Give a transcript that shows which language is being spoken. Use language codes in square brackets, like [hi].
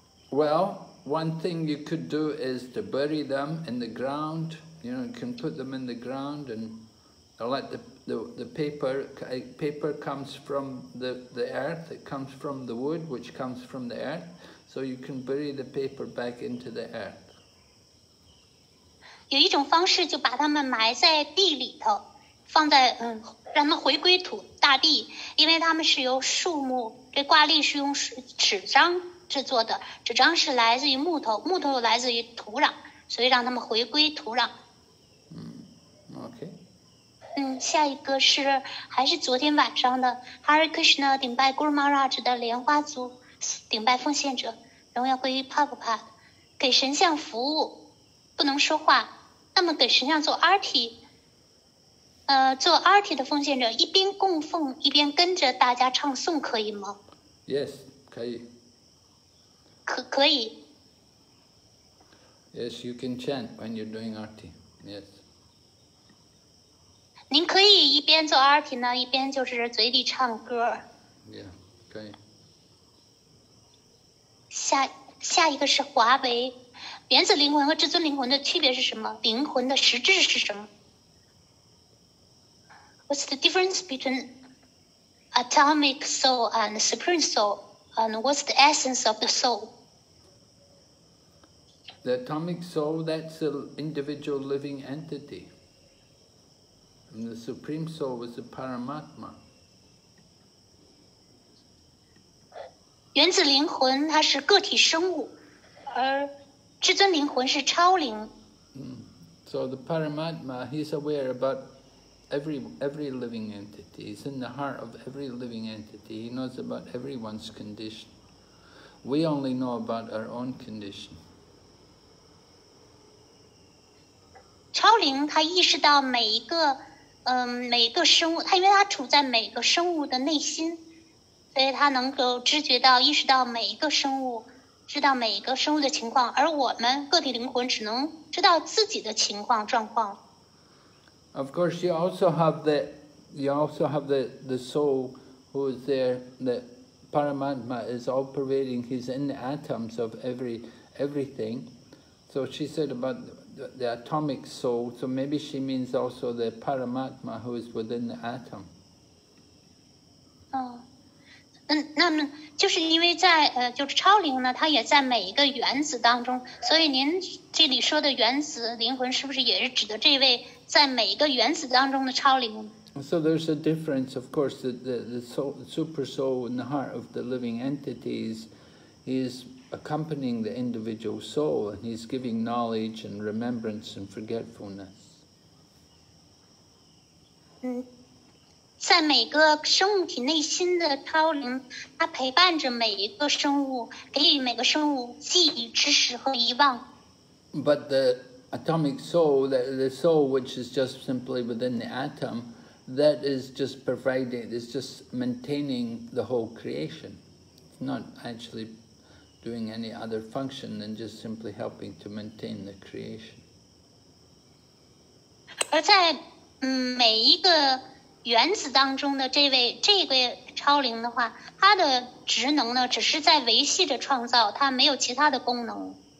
[en] Well, one thing you could do is to bury them in the ground. You know, you can put them in the ground and let the paper comes from the earth, it comes from the wood which comes from the earth, so you can bury the paper back into the earth. [zh] 有一种方式就把它们埋在地里头，放在让它回归土大地，因为它们是由树木，这挂历是用纸张制作的，纸张是来自于木头，木头来自于土壤，所以让它们回归土壤。下一个是还是昨天晚上的 Hare Krishna 顶拜 Guru Maharaj 的莲花族顶拜奉献者荣耀归于 Prabhupada 给神像服务不能说话那么给神像做 Arti 做 Arti 的奉献者一边供奉一边跟着大家唱诵可以吗 Yes 可以可以 [en] Yes you can chant when you're doing Arti Yes [zh] 您可以一边做 RT 呢一边就是嘴里唱歌。 Yeah, 可以。下一个是华为。原子灵魂和至尊灵魂的区别是什么灵魂的实质是什么 ? [en] What's the difference between atomic soul and supreme soul? And what's the essence of the soul? The atomic soul, that's an individual living entity. And the Supreme Soul was the Paramatma. [zh] 原子灵魂它是个体生物，而至尊灵魂是超灵。 [en] So the Paramatma, he's aware about every living entity. He's in the heart of every living entity. He knows about everyone's condition. We only know about our own condition. [zh] 超灵他意识到每一个每个生物，它因为它处在每个生物的内心，所以它能够知觉到、意识到每一个生物，知道每一个生物的情况。而我们个体灵魂只能知道自己的情况、状况。 [en] Of course, you also have the soul who is there. The Paramatma is all pervading. He's in the atoms of everything. So she said about. The atomic soul, so maybe she means also the Paramatma who is within the atom. [zh] Oh, 那么就是因为在就是超灵呢，它也在每一个原子当中，所以您这里说的原子灵魂是不是也是指的这位在每一个原子当中的超灵？ [en] So there's a difference, of course, that the soul, the super soul in the heart of the living entity is. Accompanying the individual soul, and he's giving knowledge and remembrance and forgetfulness. [zh] 在每个生物体内心的超灵，它陪伴着每一个生物，给予每个生物记忆、知识和遗忘。 [en] But the atomic soul, the soul which is just simply within the atom, that is just providing, is just maintaining the whole creation. It's not actually. Doing any other function than just simply helping to maintain the creation. [zh] 而在每一个原子当中的这位超灵的话，它的职能呢，只是在维系着创造，它没有其他的功能。